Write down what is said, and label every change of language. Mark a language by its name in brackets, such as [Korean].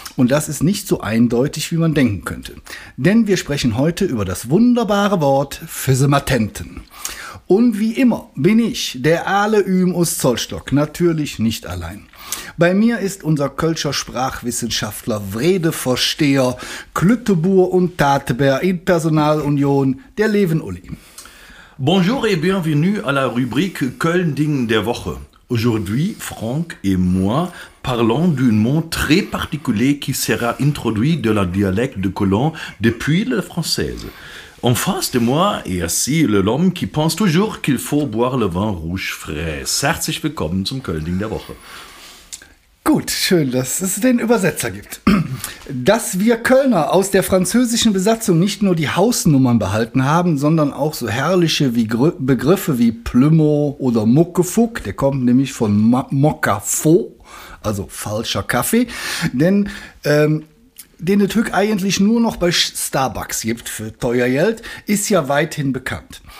[German] Und das ist nicht so eindeutig, wie man denken könnte. Denn wir sprechen heute über das wunderbare Wort Füssematenten. Und wie immer bin ich, der Ale Üm aus Zollstock, natürlich nicht allein. Bei mir ist unser kölscher Sprachwissenschaftler, Wredeversteher, Klüttebuhr und Tateber in Personalunion, der Leven Uli. [French] Bonjour et bienvenue à la rubrique Köln-Ding der Woche. Aujourd'hui, Franck et moi parlons d'un mot très particulier qui sera introduit dans le dialecte de Cologne depuis la française. En face de moi est assis l'homme qui pense toujours qu'il faut boire le vin rouge frais. [German] Herzlich willkommen zum Köln-Ding der Woche. Gut, schön, dass es den Übersetzer gibt. Dass wir Kölner aus der französischen Besatzung nicht nur die Hausnummern behalten haben, sondern auch so herrliche Begriffe wie Plümo oder Muckefuck, der kommt nämlich von Mokafo, also falscher Kaffee, denn den der Türk eigentlich nur noch bei Starbucks gibt für teuer Geld, ist ja weithin bekannt.